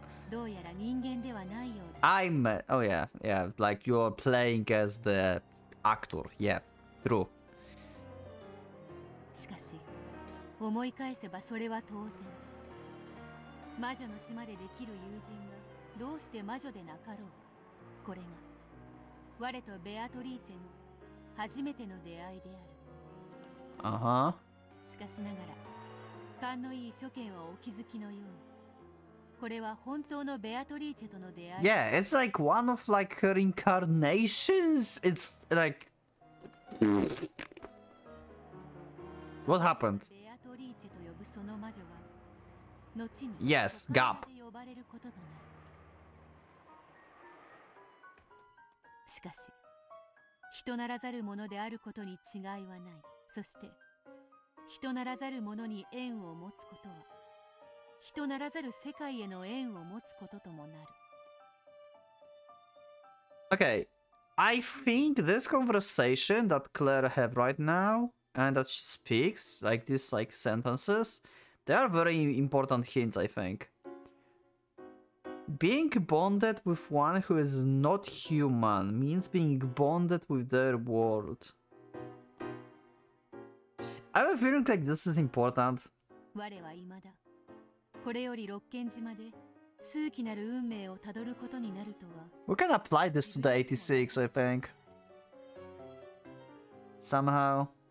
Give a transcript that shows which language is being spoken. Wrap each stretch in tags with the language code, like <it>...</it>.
<ja>どうやら人間ではないようだ。</ja> <en>I'm, oh yeah, yeah, like you're playing as the actor, yeah, true.</en> <ja>しかし、思い返せばそれは当然。魔女の島でできる友人がどうして魔女でなかろうか。これが、我とベアトリーチェの初めての出会いである。 Uh-huh. しかしながら。勘のいい初見はお気づきのように、これは本当のベアトリーチェとの出会い。</ja> <en>Yeah, it's like one of like her incarnations. It's like, what happened?</en> <ja>ベアトリーチェと呼ぶその魔女は、後に。</ja> <en>Yes, Gap.</en> <ja>呼ばれることとなる。しかし、人ならざるものであることに違いはない。そして。人ならざる者に縁を持つことは、人ならざる世界への縁を持つことともなる。</ja> <en>Okay, I think this conversation that Claire have right now and that she speaks, like these like sentences, they are very important hints, I think. Being bonded with one who is not human means being bonded with their world. I have a feeling like this is important.</en> <ja>我は未だこれより六軒島で数奇なる運命をたどることになるとは。</ja> <en>We can apply this to the 86, I think. Somehow.</en>